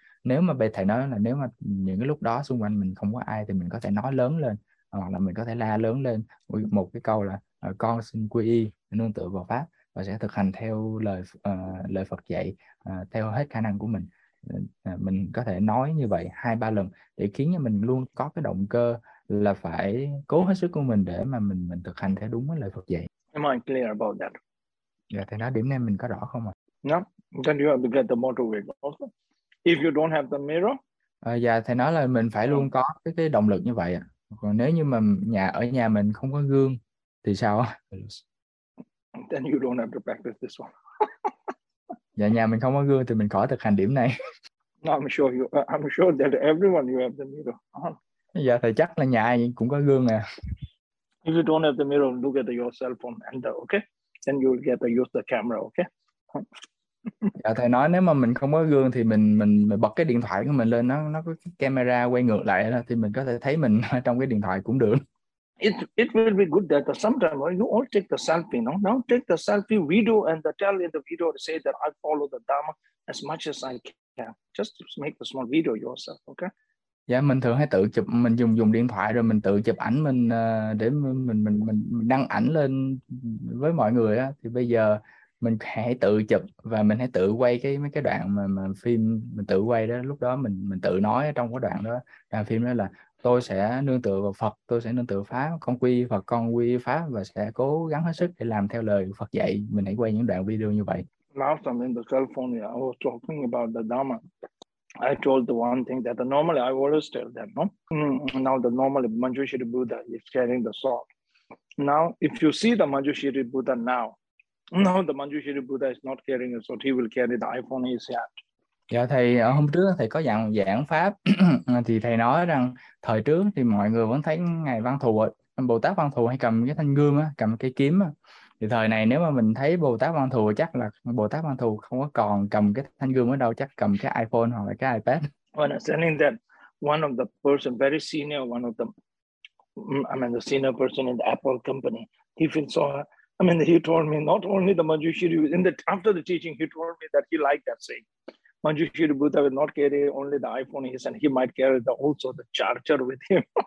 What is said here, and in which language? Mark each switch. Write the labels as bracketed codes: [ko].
[vi] Nếu mà bề thầy nói là nếu mà những cái lúc đó xung quanh mình không có ai thì mình có thể nói lớn lên, hoặc là mình có thể la lớn lên một cái câu là con xin quy y nương tựa vào pháp và sẽ thực hành theo lời lời Phật dạy theo hết khả năng của mình. Mình có thể nói như vậy 2 3 lần để khiến cho mình luôn có cái động cơ là phải cố hết sức của mình để mà mình thực hành theo đúng với lời Phật dạy. [en] Am I clear about that? [vi] Dạ, thầy nói điểm này mình có rõ không ạ? [en] No, then you have to get the motivation also. If you don't have the mirror. [vi] Dạ, thầy nói là mình phải luôn có cái động lực như vậy ạ. Còn nếu như mà ở nhà mình không có gương thì sao? [en] Then you don't have to practice this one. [vi] Dạ, nhà mình không có gương thì mình khỏi thực hành điểm này. [en] No, I'm sure that everyone you have the mirror. [vi] Dạ, thầy chắc là nhà ai cũng có gương à. [en] If you don't have the mirror, look at your cell phone and okay, then you will get to use the camera, okay? [vi] Dạ, thầy nói nếu mà mình không có gương thì mình bật cái điện thoại của mình lên, nó có cái camera quay ngược lại đó, thì mình có thể thấy mình ở trong cái điện thoại cũng được. [en] It will be good that sometimes you all take the selfie, no? Now take the selfie video and the tell in the video to say that I follow the Dharma as much as I can. Just make a small video yourself, okay? [vi] Dạ, mình thường hay tự chụp, mình dùng dùng điện thoại rồi mình tự chụp ảnh mình để mình đăng ảnh lên với mọi người á, thì bây giờ mình hãy tự chụp và mình hãy tự quay cái mấy cái đoạn mà phim mình tự quay đó, lúc đó mình tự nói trong cái đoạn đó, đoạn phim đó là tôi sẽ nương tựa vào Phật, tôi sẽ nương tựa Pháp, con quy Phật, con quy Pháp và sẽ cố gắng hết sức để làm theo lời Phật dạy. Mình hãy quay những đoạn video như vậy. [en] Last time in the California, I was talking about the Dharma. I told the one thing that normally I always tell them, no? Now the normally Manjushri Buddha is carrying the sword. Now, if you see the Manjushri Buddha now, now the Manjushri Buddha is not carrying a sword. He will carry the iPhone in his hand. [vi] Dạ thầy, hôm trước thầy có dặn giảng pháp thì thầy nói rằng thời trước thì mọi người vẫn thấy ngài Văn Thù, Bồ Tát Văn Thù hay cầm cái thanh gươm á, cầm cái kiếm á. Thì thời này nếu mà mình thấy Bồ Tát Văn Thù chắc là Bồ Tát Văn Thù không có còn cầm cái thanh gươm ở đâu, chắc cầm cái iPhone hoặc là cái iPad. [en] When I'm telling that one of the person, very senior, one of the, I mean, the senior person in the Apple company, he feels so, I mean, he told me not only the Manjushri, in the, after the teaching, he told me that he liked that saying. Manjushri Buddha will not carry only the iPhone in his hand, he might carry the, also the charger with him.